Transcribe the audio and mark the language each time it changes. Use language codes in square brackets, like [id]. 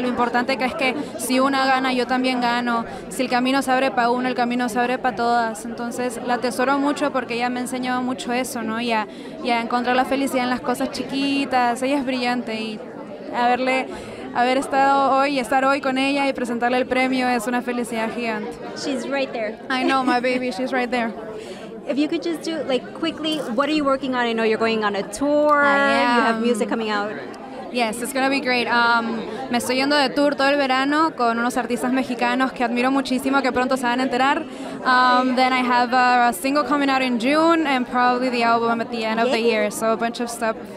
[es] Lo importante que es que si una gana, yo también gano. Si el camino se abre para uno, el camino se abre para todas. Entonces, la atesoro mucho porque ella me ha enseñado mucho eso, ¿no? Y a encontrar la felicidad en las cosas chiquitas. Ella es brillante y haber estado hoy, estar hoy con ella y presentarle el premio es una felicidad gigante. [en] She's right there. I know, my baby, she's right there. If you could just do, like, quickly, what are you working on? I know you're going on a tour. I am. You have music coming out. Yes, it's going to be great. [es] Me estoy yendo de tour todo el verano con unos artistas mexicanos que admiro muchísimo, que pronto se van a enterar. [en] Then I have a single coming out in June and probably the album at the end of the year. So a bunch of stuff